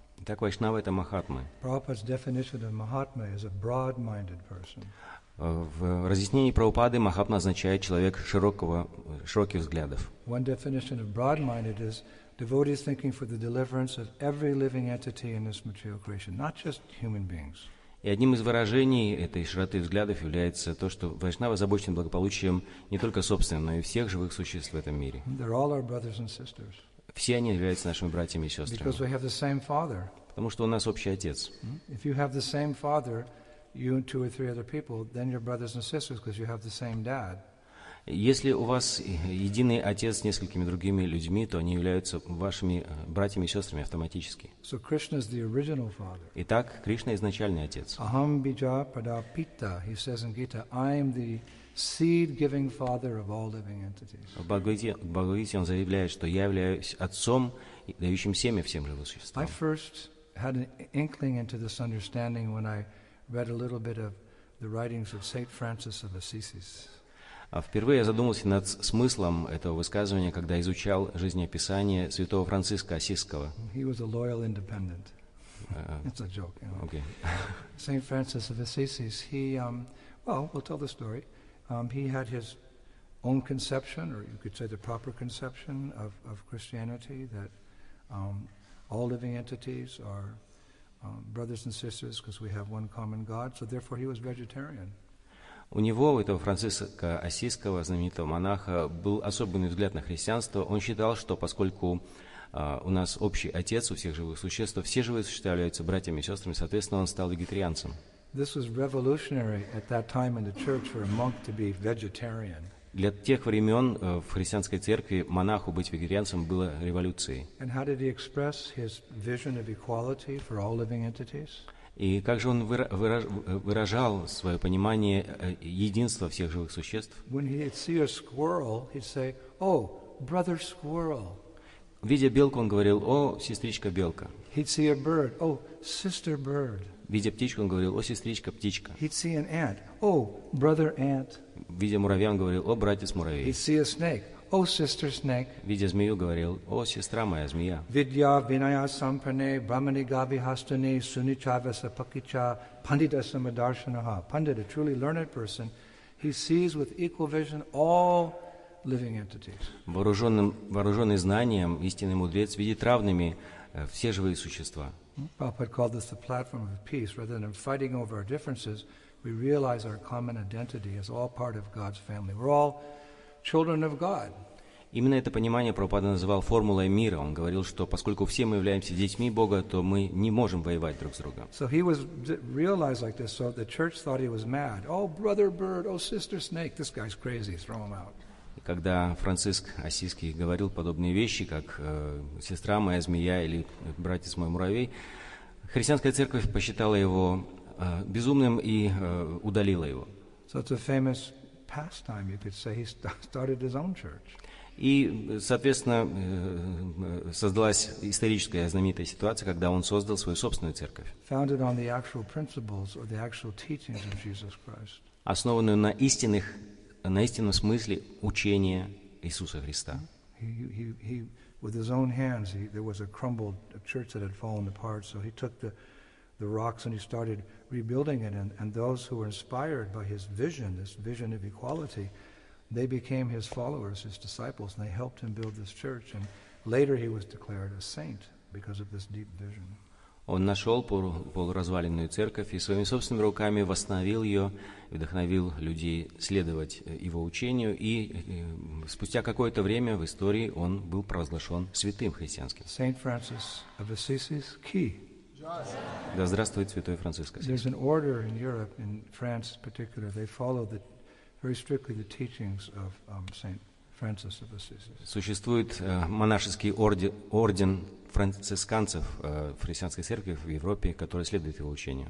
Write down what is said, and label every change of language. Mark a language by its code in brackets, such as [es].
[ru] Итак, Вайшнава – это Махатма. [en] Prabhupada's definition of Mahatma is a broad-minded person. [ru] В разъяснении Прабхупады Махатма означает человек широких взглядов. [en] One definition of broad-minded is devotees thinking for the deliverance of every living entity in this material creation, not just human beings. [ru] И одним из выражений этой широты взглядов является то, что Вайшнава озабочен благополучием не только собственным, но и всех живых существ в этом мире. [en] They're all our brothers and sisters. [ru] Все они являются нашими братьями и сестрами. [en] Because we have the same father. [ru] Потому что у нас общий отец. [en] If you have the same father, you and two or three other people, then you're brothers and sisters because you have the same dad. [ru] Если у вас единый отец с несколькими другими людьми, то они являются вашими братьями и сестрами автоматически. [en] So Krishna is the original father. [ru] Итак, Кришна изначальный отец. [sa] Aham bija pradapita, [en] he says in Gita, I am the seed-giving father of all living entities. [ru] В Бхагавад-гите он заявляет, что я являюсь отцом, дающим семя всем живым существам. [en] I first had an inkling into this understanding when I read a little bit of the writings of Saint Francis of Assisi. [ru] Впервые я задумался над смыслом этого высказывания, когда изучал жизнеописание святого Франциска Ассизского. [en] He was a loyal independent. It's a joke. You know. Okay. Saint Francis of Assisi. We'll tell the story. He had his own conception, or you could say the proper conception of Christianity, that all living entities are brothers and sisters because we have one common God. So therefore, he was vegetarian. [ru] У него, у этого Франциска Ассизского, знаменитого монаха, был особенный взгляд на христианство. Он считал, что поскольку у нас общий отец у всех живых существ, то все живые существа являются братьями и сестрами, соответственно, он стал вегетарианцем. [en] This was revolutionary at that time in the church for a monk to be vegetarian. [ru] Для тех времен в христианской церкви монаху быть вегетарианцем было революцией. [en] And how did he express his vision of equality for all living entities? [ru] И как же он выражал свое понимание единства всех живых существ? [en] When he'd see a squirrel, he'd say, "Oh, brother squirrel." [ru] Видя белку, он говорил: "О, сестричка белка." [en] He'd see a bird, "Oh, sister bird." [ru] Видя птичку, он говорил: «О, сестричка, птичка». [en] He'd see an ant. Oh, brother ant. [ru] Видя муравья, он говорил: «О, братец муравей». [en] He'd see a snake. Oh, sister snake. [ru] Видя змею, говорил: «О, сестра моя, змея». [sa] Vidya vinaya sampane brahmani gavi hastane sunichava sapakicha pandita samadarshanaha. [en] Pandit, a truly learned person, he sees with equal vision all living entities. [ru] Вооруженный знанием, истинный мудрец видит равными все живые существа. [en] Prabhupada called this the platform of peace. Rather than fighting over our differences, we realize our common identity as all part of God's family. We're all children of God. [ru] Именно это понимание Прабхупада называл формулой мира. Он говорил, что поскольку все мы являемся детьми Бога, то мы не можем воевать друг с другом. [en] So he was realized like this, so the church thought he was mad. Oh, brother bird, oh, sister snake, this guy's crazy, throw him out. [ru] Когда Франциск Ассизский говорил подобные вещи, как «сестра моя змея» или «братец мой муравей», христианская церковь посчитала его безумным и удалила его. [en] So it's a famous pastime, you could say. He started his own church. [ru] И, соответственно, создалась историческая знаменитая ситуация, когда он создал свою собственную церковь. [en] Founded on the actual principles or the actual teachings of Jesus Christ. [ru] Основанную на истинных на истинном смысле учения Иисуса Христа. [en] He, with his own hands, there was a crumbled church that had fallen apart, so he took the rocks and he started rebuilding it, and those who were inspired by his vision, this vision of equality, they became his followers, his disciples, and they helped him build this church, and later he was declared a saint because of this deep vision. [ru] Он нашел полуразваленную церковь и своими собственными руками восстановил ее, вдохновил людей следовать его учению, и спустя какое-то время в истории он был провозглашен святым христианским. [en] Saint Francis of Assisi's key. [ru] Да здравствует святой Франциск Ассизский. [en] There's an order in Europe, in France particular, they follow the very strictly the teachings of Saint Francis of Assisi. [ru] Существует монашеский орден францисканцев в христианской церкви в Европе, которые следуют его учению.